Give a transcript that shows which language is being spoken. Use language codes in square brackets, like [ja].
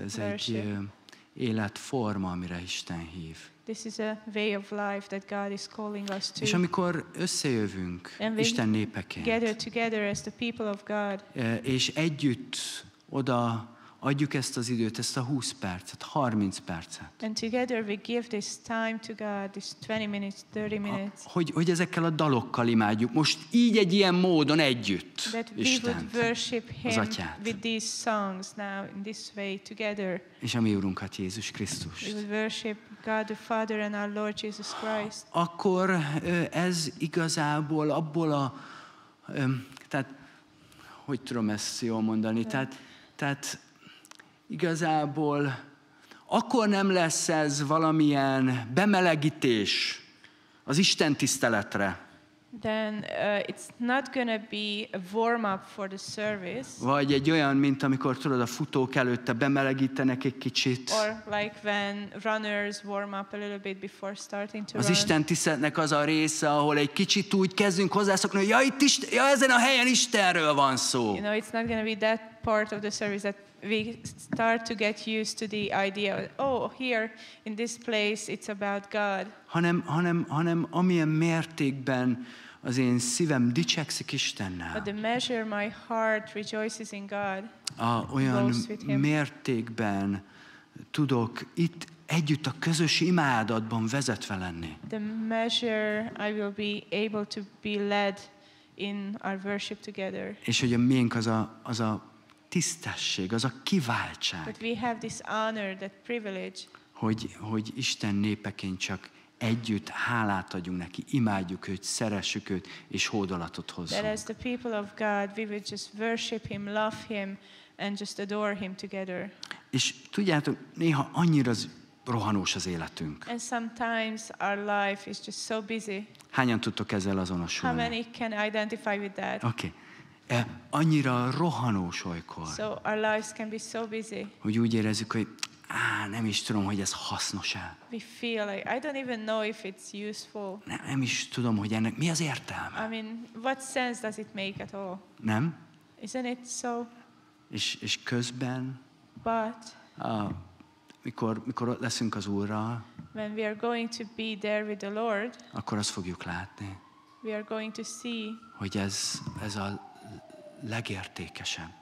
[hu] Ez egy életforma, amire Isten hív. [en] This is a way of life that God is calling us to. [hu] És amikor összejövünk Isten népeként, [en] gather together as the people of God, [hu] és együtt oda adjuk ezt az időt, ezt a 20 percet, 30 percet. [en] And together we give this time to God, this 20 minutes, 30 minutes. [hu] Hogy ezekkel a dalokkal imádjuk, most így egy ilyen módon együtt Istent, az Atyát. [en] With these songs now, in this way, together. [hu] És a mi Urunkat, Jézus Krisztus. [en] We will worship God the Father and our Lord Jesus Christ. [hu] Akkor ez igazából abból a, tehát, hogy tudom ezt jól mondani, tehát igazából akkor nem lesz ez valamilyen bemelegítés az istentiszteletre. [en] Then it's not gonna be a warm up for the service. [hu] Vagy egy olyan, mint amikor tudod a futók előtte bemelegítenek egy kicsit. [en] Or like when runners warm up a little bit before starting to run. [hu] Az istentiszteletnek az a része, ahol egy kicsit úgy kezdünk hozzászokni, hogy ezen a helyen Istenről van szó. [en] You know, it's not gonna be that part of the service that we start to get used to the idea of, oh, here in this place it's about God. [hu] Hanem amilyen mértékben az én szívem dicsekszik Istennel. [en] But the measure my heart rejoices in God. [hu] Olyan mértékben tudok itt együtt a közös imádatban vezetve lenni. [en] The measure I will be able to be led in our worship together. [hu] És hogy a miénk az a tisztesség, az a kiváltság. [en] But we have this honor, that privilege. [hu] Hogy Isten népeként csak együtt hálát adjunk neki, imádjuk őt, szeressük őt, és hódolatot hozzunk. [en] That as the people of God, we would just worship him, love him, and just adore him together. [hu] És tudjátok, néha annyira rohanós az életünk. [en] And sometimes our life is just so busy. [hu] Hányan tudtok ezzel azonosulni? [en] How many can identify with that? [hu] Okay. Annyira rohanós olykor, [en] so our lives can be so busy, [hu] hogy úgy érezzük, hogy nem is tudom, hogy ez hasznos-e. [en] We feel like, I don't even know if it's useful. [hu] Nem is tudom, hogy ennek mi az értelme. [en] I mean, what sense does it make at all? [hu] Nem? [en] Isn't it so? [hu] És közben, [en] but, [hu] mikor ott leszünk az Úrral, [en] when we are going to be there with the Lord, [hu] akkor azt fogjuk látni, [en] we are going to see, [hu] hogy ez a legértékesebb.